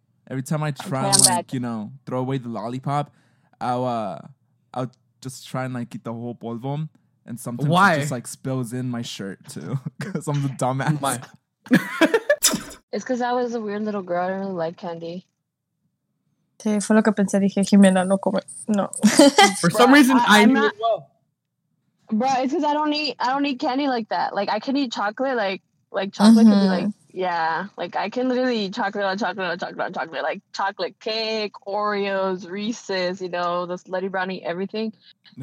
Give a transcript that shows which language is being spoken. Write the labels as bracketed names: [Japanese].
[English] Every time I try and throw away the lollipop, I'll just try and like eat the whole polvo, and sometimes it just like spills in my shirt too because I'm the dumbass. It's because I was a weird little girl. I don't really like candy. [Spanish] Sí, fue lo que pensé, dije, Jimena, no come. No. [English] For some reason, I knew it well. Bro, it's because I don't eat candy like that. Like, I can eat chocolate, like chocolate mm-hmm. can be like, yeah. Like, I can literally eat chocolate on chocolate. Like, chocolate cake, Oreos, Reese's, you know, the slutty brownie, everything. Mm-hmm.